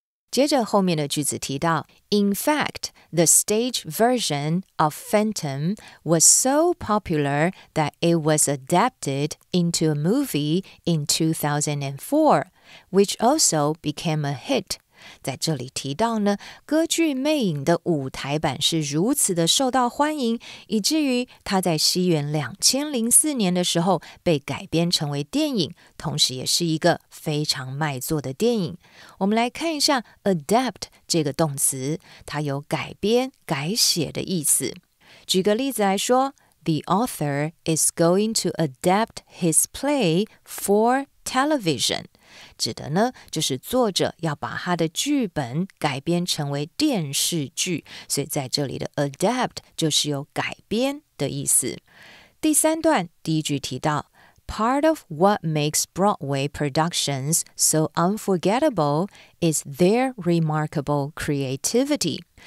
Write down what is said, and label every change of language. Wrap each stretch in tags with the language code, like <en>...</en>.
<zh>接着后面的句子提到</zh> <en>In fact, the stage version of Phantom was so popular that it was adapted into a movie in 2004, which also became a hit.</en> <zh>在这里提到呢，歌剧《魅影》的舞台版是如此的受到欢迎，以至于它在西元2004年的时候被改编成为电影，同时也是一个非常卖座的电影。我们来看一下 adapt 这个动词，它有改编、改写的意思。举个例子来说</zh> <en>，The author is going to adapt his play for television.</en> <zh>指的呢，就是作者要把他的剧本改编成为电视剧，所以在这里的 adapt 就是有改编的意思。第三段第一句提到</zh> <en>Part of what makes Broadway productions so unforgettable is their remarkable creativity.</en>